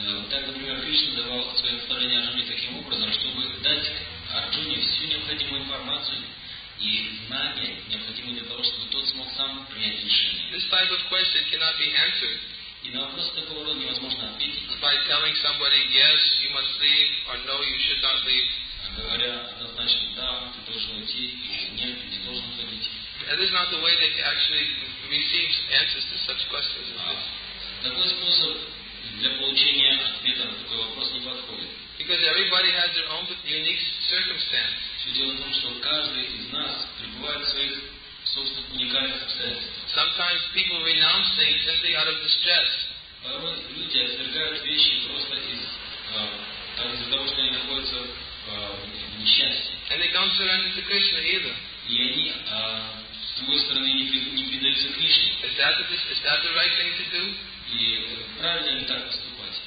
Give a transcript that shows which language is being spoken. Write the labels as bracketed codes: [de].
[ru] Так, например, Кришна давал свои наставления Арджуне таким образом, чтобы дать Арджуне всю необходимую информацию и знания, необходимые для того, чтобы тот смог сам принять решение. [en] This type of question cannot be answered. [ru] И на вопрос такого рода невозможно ответить. [en] By telling somebody yes, you must leave, or no, you should not leave. [ru] Говоря однозначно да, ты должен уйти, или нет, ты не должен уходить. [en] That is not the way that actually receives answers to such questions. [ru] Такой способ для получения ответа на такой вопрос не подходит. [en] Because everybody has their own unique circumstance. [ru] Все дело в том, что каждый из нас пребывает в своих собственных уникальных обстоятельствах. [en] Sometimes people renounce things simply out of distress. [ru] Порой люди отвергают вещи просто из-за того, что они находятся в несчастье. [en] And they don't surrender to Krishna either. [ru] И они, с другой стороны, не предаются Кришне. [en] Is that the right thing to do? [ru] И правильно ли так поступать?